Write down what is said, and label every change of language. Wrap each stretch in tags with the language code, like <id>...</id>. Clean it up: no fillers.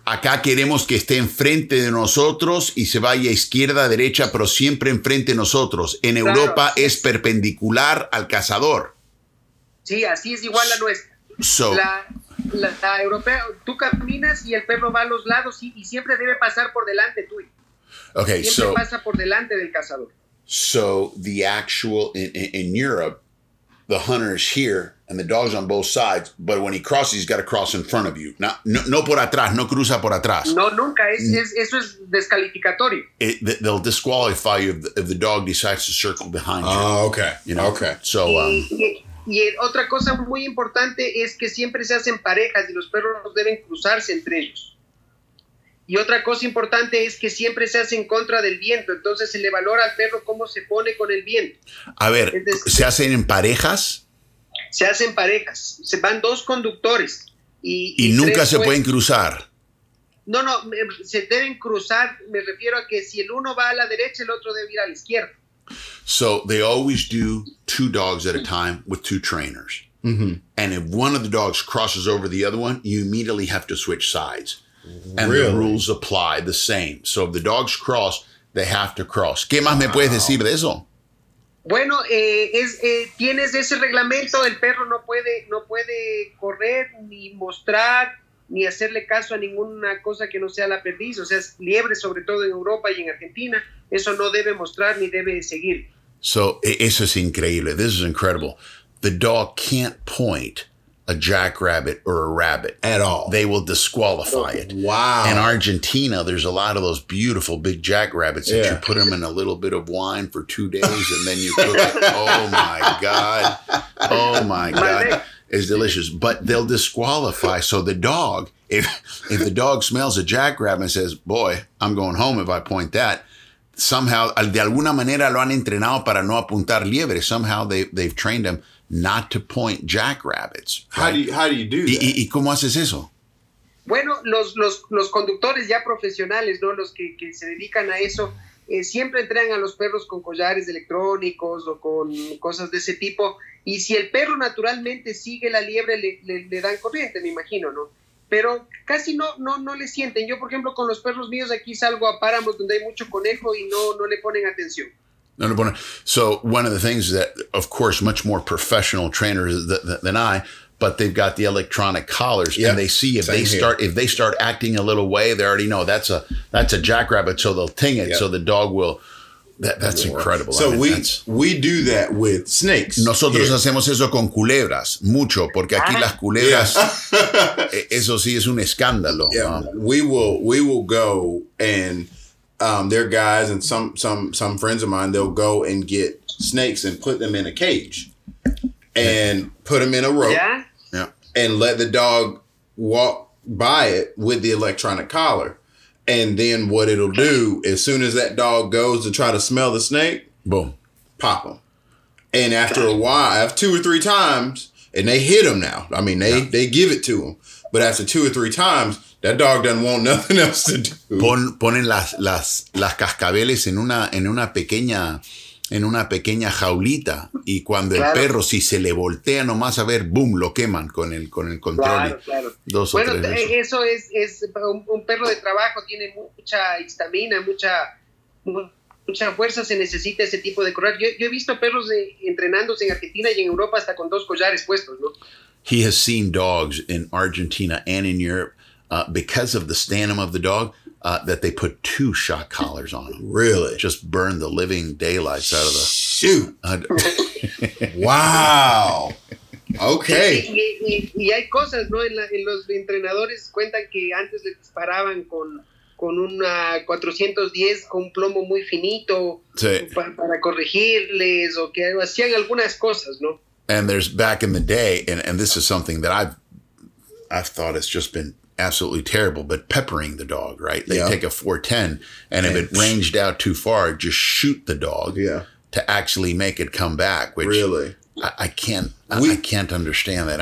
<es>Acá queremos que esté enfrente de nosotros y se vaya izquierda, derecha, pero siempre enfrente de nosotros. En claro, Europa sí. Es perpendicular al cazador. Sí, así es igual la nuestra.</es> <en>So,</en> <es>la europea, tú caminas y el perro va a los lados y siempre debe pasar por delante tuyo.</es> <en>Okay,</en> <es>siempre pasa por delante del cazador.</es> <en>So the actual, in Europe, the hunter is here. And the dog's on both sides, but when he crosses, he's got to cross in front of you.</en> <es>No por atrás, no cruza por atrás. No, nunca. Eso es descalificatorio.</es> <en>They'll disqualify you if the dog decides to circle behind you. Oh, okay. You know? Okay. So.</en> <es>Y otra cosa muy importante es que siempre se hacen parejas y los perros deben cruzarse entre ellos. Y otra cosa importante es que siempre se hace en contra del viento. Entonces se le valora al perro cómo se pone con el viento. A ver, ¿se hacen en parejas? Se hacen parejas, se van dos conductores. Y nunca se pueden cruzar. No, se deben cruzar. Me refiero a que si el uno va a la derecha, el otro debe ir a la izquierda.</es> <en>So they always do two dogs at a time with two trainers. Mm-hmm. And if one of the dogs crosses over the other one, you immediately have to switch sides. Really? And the rules apply the same. So if the dogs cross, they have to cross.</en> <es>¿Qué más me puedes decir de eso? Bueno, tienes ese reglamento, el perro no puede correr, ni mostrar, ni hacerle caso a ninguna cosa que no sea la perdiz, o sea, es liebre, sobre todo en Europa y en Argentina, eso no debe mostrar ni debe seguir.</es> <en>So,</en> <es>eso es increíble,</es> <en>this is incredible. The dog can't point a jackrabbit or a rabbit at all. They will disqualify it. Wow. In Argentina, there's a lot of those beautiful big jackrabbits that you put them in a little bit of wine for 2 days and then you cook it. Oh my God. It's delicious. But they'll disqualify. So the dog, if the dog smells a jackrabbit and says, boy, I'm going home if I point that, somehow,</en> <es>de alguna manera lo han entrenado para no apuntar liebre.</es> <en>Somehow they've trained them not to point jackrabbits. Right? How do you do that?</en> <es>¿Y cómo haces eso? Bueno, los conductores ya profesionales, ¿no? Los que se dedican a eso, siempre entrenan a los perros con collares electrónicos o con cosas de ese tipo. Y si el perro naturalmente sigue la liebre, le dan corriente, me imagino, ¿no? Pero casi no le sienten. Yo, por ejemplo, con los perros míos aquí salgo a páramos donde hay mucho conejo y no le ponen atención.</es> <en>So one of the things that, of course, much more professional trainers than I, but they've got the electronic collars, yep. And they see if they start acting a little way, they already know that's a jackrabbit, so they'll ting it, yep. So the dog will. That's incredible. So we do that with snakes.</en> <es>Nosotros</es> <en>here.</en> <es>Hacemos eso con culebras mucho porque aquí las culebras eso sí es un escándalo.</es> <en>Yeah. We will go and. There are guys and some friends of mine, they'll go and get snakes and put them in a cage and put them in a rope and let the dog walk by it with the electronic collar. And then what it'll do, as soon as that dog goes to try to smell the snake, boom, pop them. And after a while, two or three times, and they hit them now. I mean, they give it to them. But after two or three times, that dog doesn't want nothing else to do.</en> <es>Ponen las cascabeles en una pequeña jaulita y cuando el perro si se le voltea nomás a ver, boom, lo queman con el control. Claro. Dos o tres. Bueno, eso es un perro de trabajo, tiene mucha histamina, mucha fuerza, se necesita ese tipo de correr. Yo he visto perros entrenándose en Argentina y en Europa hasta con dos collares puestos, ¿no?</es> <en>He has seen dogs in Argentina and in Europe because of the stanum of the dog, that they put two shock collars on them. Really? Just burn the living daylights out of the... Shoot! Wow! Okay.</en> <es>Y hay cosas, ¿no? En los entrenadores cuentan que antes le disparaban con una 410 con un plomo muy finito para corregirles o que hacían algunas cosas, ¿no?</es> <en>And there's back in the day, and this is something that I've thought has just been absolutely terrible, but peppering the dog, right? They take a 410, and if it ranged out too far, just shoot the dog to actually make it come back, which really? I can't understand that.</en>